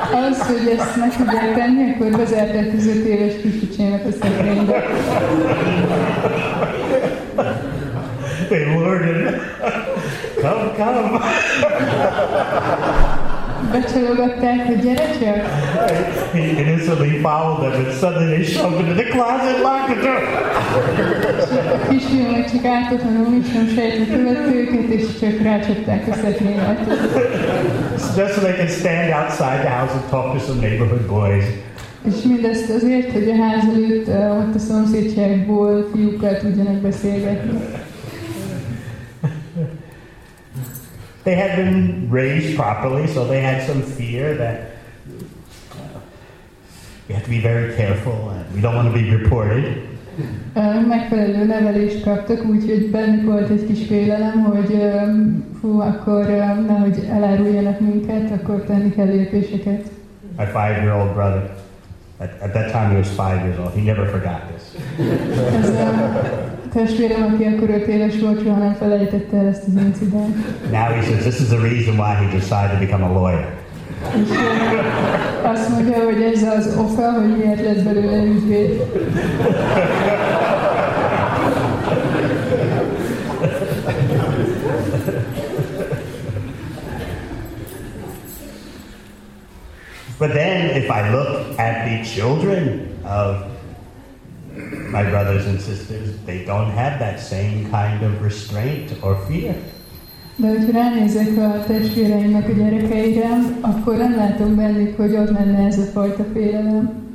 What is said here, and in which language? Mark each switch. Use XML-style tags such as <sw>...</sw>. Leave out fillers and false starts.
<hu>Az, hogy ezt meg tudják tenni, akkor bezárták 15 éves kisöcsémet a szekrénybe.</hu> <en>They lured him. Come, come.</en> <hu>Becsalogatták, hogy gyere csak.</hu> <en>He innocently followed them and suddenly they shoved into the closet, locked the door.</en> <hu>A kisfiú meg csak ártatlanul is nem sejtve követőket, és csak rácsapták a szekrényt.</hu> <en>Just so they could stand outside the house and talk to some neighborhood boys.</en> <hu>És mindezt azért, hogy a ház előtt ott a szomszédságból fiúkkal tudjanak beszélgetni.</hu> <en>They had been raised properly, so they had some fear that we have to be very careful and we don't want to be reported.</en> <hu>Megfelelő nevelést kaptak, úgyhogy bennük volt egy kis félelem, hogy hú, akkor nehogy eláruljanak minket, akkor tenni kell lépéseket.</hu> <en>My five-year-old brother, at that time he was 5 years old, he never forgot this.</en> <hu>Ez a testvérem, aki akkor 5 éves volt, soha nem felejtette el ezt az incidentet.</hu> <en>Now he says, this is the reason why he decided to become a lawyer.</en> <hu>És azt mondja, hogy ez az oka, hogy miért lett belőle ügyvéd.</hu> <en>But then, if I look at the children of my brothers and sisters, they don't have that same kind of restraint or fear.</en> <hu>De hogyha ránézek a testvéreimnek a gyerekeire, akkor nem látom bennük, hogy ott lenne ez a fajta félelem.</hu>